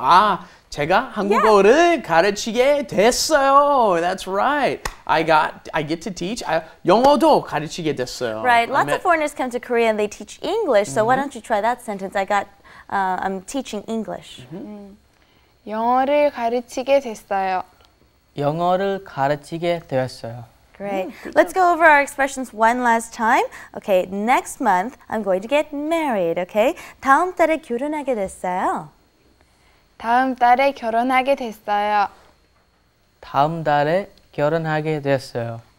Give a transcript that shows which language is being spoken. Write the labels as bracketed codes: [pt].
[ko] 아, 제가 한국어를 가르치게 됐어요. [en] That's right. I get to teach. [ko] 영어도 가르치게 됐어요. [en] Right. Lots of foreigners come to Korea and they teach English. So why don't you try that sentence? I'm teaching English. [ko] 영어를 가르치게 됐어요. 영어를 가르치게 되었어요. [en] Great. Let's go over our expressions one last time. Okay. Next month I'm going to get married. Okay. [ko] 다음 달에 결혼하게 됐어요. 다음 달에 결혼하게 됐어요. 다음 달에 결혼하게 됐어요.